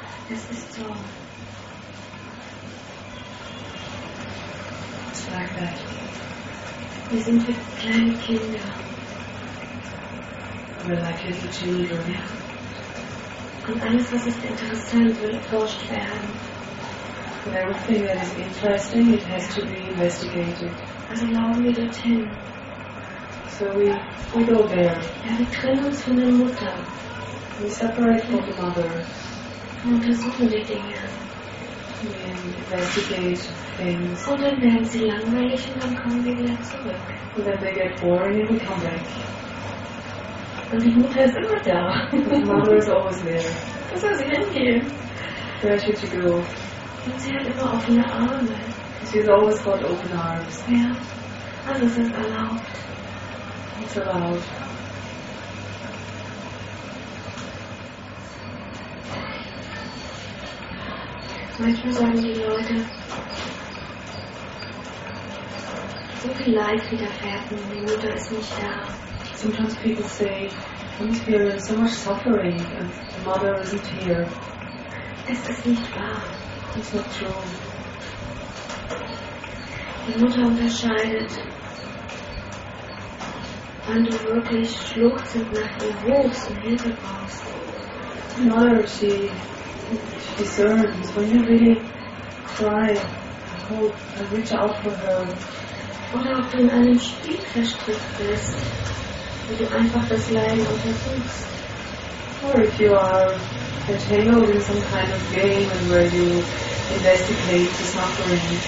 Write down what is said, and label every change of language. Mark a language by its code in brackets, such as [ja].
[de] Es ist so, wir sind wie kleine Kinder. [en] We're like little children, yeah. [de] Und alles, was ist interessant, will erforscht werden. [en] And everything that is interesting, it has to be investigated. [de] Also laufen wir dorthin. [en] So we go there. [de] Ja, wir trennen uns von der Mutter. [en] We separate from the mother. [de] Und untersuchen die Dinge. [en] And investigate things. [de] Und dann werden sie langweilig und dann kommen wir wieder zurück. [en] And then they get boring and we come back. [de] Und die Mutter ist immer da. Und Mama ist auch was mehr. Wo soll sie hingehen? Ja, ich hätte gelobt. Und sie hat immer offene Arme. [en] She has always got open arms. [de] Ja. Alles ist erlaubt. [en] It's allowed. [de] Manchmal sagen die Leute, so viel Leid widerfährt mir, die Mutter ist nicht da. [en] Sometimes people say, we experience so much suffering and the mother isn't here. [de] Es ist nicht wahr. [en] It's not true. [de] Die Mutter unterscheidet, wann du wirklich schluchzend nach ihr rufst und Hilfe brauchst. [en] The mother, she discerns when you really cry, hope, and reach out for her. [de] Oder ob du in einem Spiel verstrickt bist, wo du einfach das Leiden untersuchst. [en] Or if you are entangled in some kind of game and where you investigate the suffering.